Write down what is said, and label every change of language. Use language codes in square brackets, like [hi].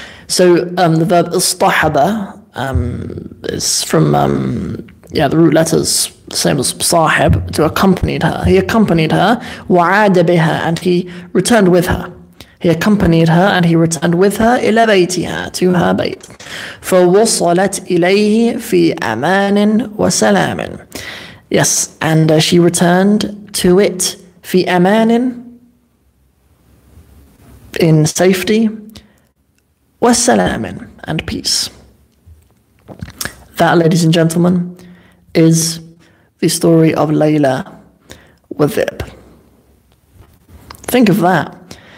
[en] So the verb اصطحب is from the root letters, same as صاحب, to accompanied her. He accompanied her, [ar] وعاد بها, [en] and he returned with her. He accompanied her and he returned with her, [ar] إلى بيتها, [en] to her bait. [ar] فوصلت إليه في أمان وسلام. [en] Yes, and she returned to it, [ar] في أمان, [en] in safety, وسلام, and peace. That, ladies and gentlemen, is the story of Layla with Zip. Think of that.